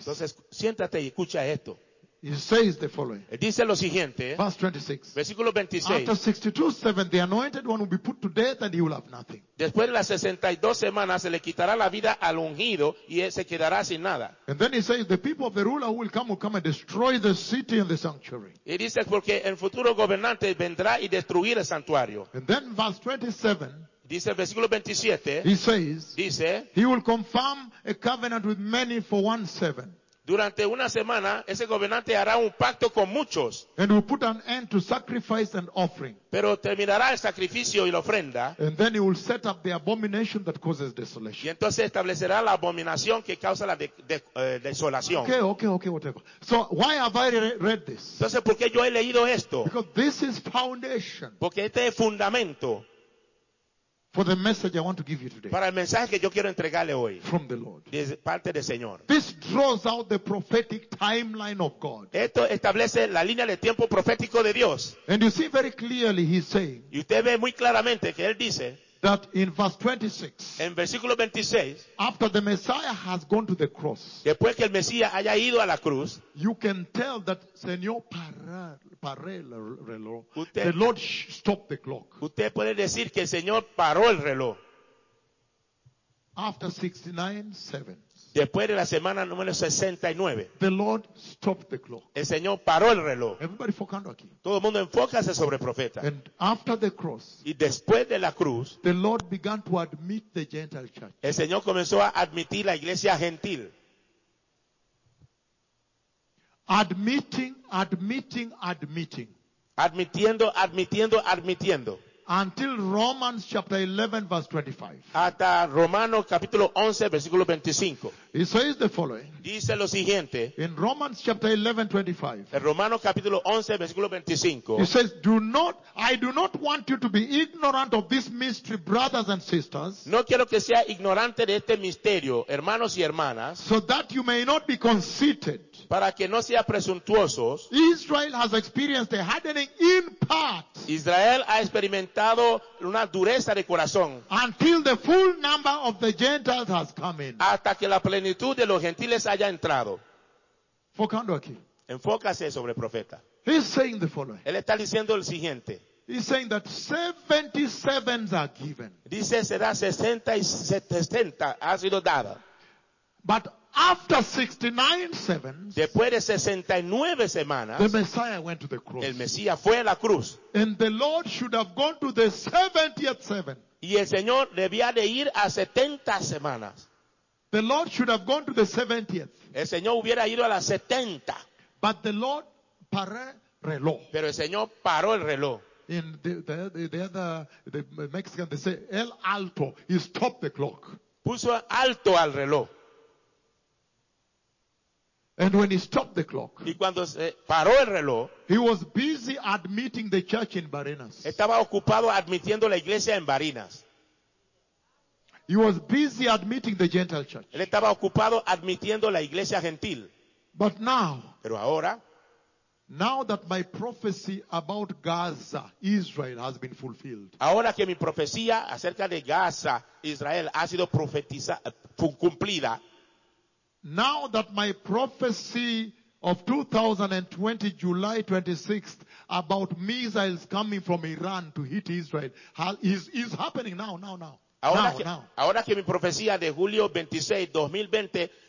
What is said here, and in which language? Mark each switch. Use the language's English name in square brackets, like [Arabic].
[Spanish] Entonces, siéntate y escucha esto. [English] It says the following. [Spanish] Dice lo siguiente. [English] Verse 26. [Spanish] Versículo 26. [English] After 62 sevens, the anointed one will be put to death and he will have nothing. [Spanish] Después de las 62 semanas se le quitará la vida al ungido y él se quedará sin nada. [English] And then he says the people of the ruler will come and destroy the city and the sanctuary. [Spanish] Y dice porque el futuro gobernante vendrá y destruirá el santuario. [English] And then verse 27. [Spanish] Dice el versículo 27. [English] He says. [Spanish] Dice. [English] He will confirm a covenant with many for one seven. [Spanish] Durante una semana, ese gobernante hará un pacto con muchos. [English] And will put an end to sacrifice and offering. [Spanish] Pero terminará el sacrificio y la ofrenda. [English] And then he will set up the abomination that causes desolation. [Spanish] Y entonces establecerá la abominación que causa la desolación. [English] Okay, whatever. So why have I read this? [Spanish] Entonces, ¿por qué yo he leído esto? [English] Because this is foundation. [Spanish] Porque este es fundamento. [English] For the message I want to give you today. [Spanish] Para el mensaje que yo quiero entregarle hoy. [English] From the Lord. [Spanish] De parte del Señor. [English] This draws out the prophetic timeline of God. [Spanish] Esto establece la línea de tiempo profético de Dios. [English] And you see very clearly he's saying. [Spanish] Y usted ve muy claramente que él dice. [English] That in verse 26. [Spanish] En versículo 26. [English] After the Messiah has gone to the cross. [Spanish] Después que el Mesías haya ido a la cruz. [English] You can tell that [Spanish] Señor paró el reloj. [English] The Lord stopped the clock. [Spanish] Usted puede decir que el Señor paró el reloj. [English] After 69 sevens. [Spanish] Después de la semana número 69. [English] The Lord stopped the clock. [Spanish] El Señor paró el reloj. Everybody focando aquí. Todo el mundo enfócase sobre el profeta. [English] And after the cross. [Spanish] Y después de la cruz. [English] The Lord began to admit the Gentile church. [Spanish] El Señor comenzó a admitir la iglesia gentil. [English] Admitting. [Spanish] Admitiendo. [English] Until Romans chapter 11 verse 25. [Spanish] Hasta Romanos capítulo 11 versículo 25. [English] It says the following. [Spanish] Dice lo siguiente. [English] In Romans chapter 11 25. [Spanish] En Romanos capítulo 11 versículo 25. [English] It says, I do not want you to be ignorant of this mystery, brothers and sisters. [Spanish] No quiero que sea ignorante de este misterio, hermanos y hermanas. [English] So that you may not be conceited. [Spanish] Para que no sea presuntuosos. [English] Israel has experienced a hardening in part. [Spanish] Israel ha experimentado una dureza de corazón. [English] Until the full number of the Gentiles has come in. [Spanish] Hasta que la plenitud de los gentiles haya entrado. Focando aquí. Enfócase sobre el profeta. [English] He's saying the following. [Spanish] Él está diciendo el siguiente. [English] He's saying that 77s are given. [Spanish] Dice será 60 ha sido dada. [English] But after 69 sevens, [Spanish] después de 69 semanas, [English] the Messiah went to the cross. [Spanish] El Mesías fue a la cruz. [English] And the Lord should have gone to the 70th seven. [Spanish] Y el Señor debía de ir a 70 semanas. [English] The Lord should have gone to the 70th. [Spanish] El Señor hubiera ido a la 70. [English] But the Lord [Spanish] paró reloj. Pero el Señor paró el reloj. [English] In the Mexican they say [Spanish] el alto, [English] he stopped the clock. [Spanish] Puso alto al reloj. [English] And when he stopped the clock, [Spanish] y cuando se paró el reloj, [English] he was busy admitting the church in Barinas. [Spanish] Estaba ocupado admitiendo la iglesia en Barinas. [English] He was busy admitting the Gentile church. [Spanish] Él estaba ocupado admitiendo la iglesia gentil. [English] But now, [Spanish] pero ahora, [English] Now that my prophecy about Gaza, Israel, has been fulfilled. [Spanish] Ahora que mi profecía acerca de Gaza, Israel, ha sido profetizada, cumplida. [English] Now that my prophecy of 2020, July 26th, about missiles coming from Iran to hit Israel, is happening now, now, now. [Spanish] Ahora que mi profecía de julio 26, 2020,